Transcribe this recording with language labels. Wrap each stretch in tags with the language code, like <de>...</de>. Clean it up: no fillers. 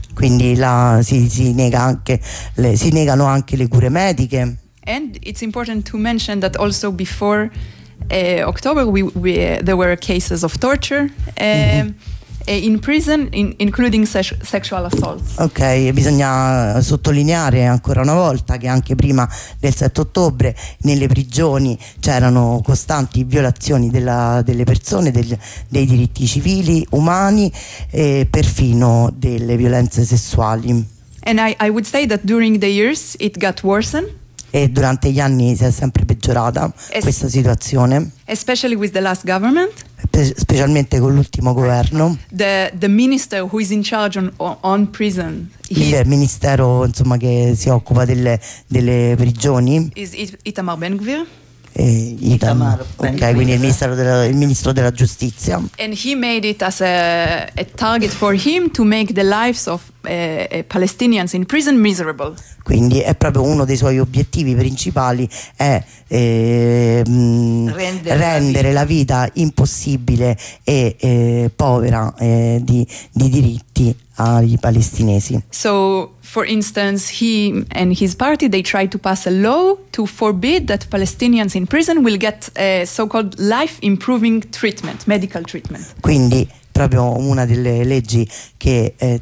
<it>Quindi si negano anche le cure mediche.</it> <en>And it's important to mention that also before October there were cases of torture in prison, including sexual assault.</en> <it>Ok, bisogna sottolineare ancora una volta che anche prima del 7 ottobre nelle prigioni c'erano costanti violazioni delle persone, dei diritti civili, umani e perfino delle violenze sessuali.</it> <en>And I would say that during the years it got worsened.</en> <it>E durante gli anni si è sempre peggiorata questa situazione.</it> <en>Especially with the last government.</en> <it>Specialmente con l'ultimo governo.</it> <en>The minister who is in charge on prison.</en> <it>Il ministero, insomma, che si occupa delle prigioni.</it> <en>Is Itamar Ben-Gvir.</en> <it>Okay, quindi il ministro della giustizia.</it> <en>And he made it as a target for him to make the lives of Palestinians in prison miserable.</en> <it>Quindi è proprio uno dei suoi obiettivi principali è rendere la vita impossibile e povera di diritti ai palestinesi.</it> <en>So for instance he and his party they tried to pass a law to forbid that Palestinians in prison will get a so-called life improving treatment, medical treatment.</en> <it>Quindi proprio una delle leggi che</it>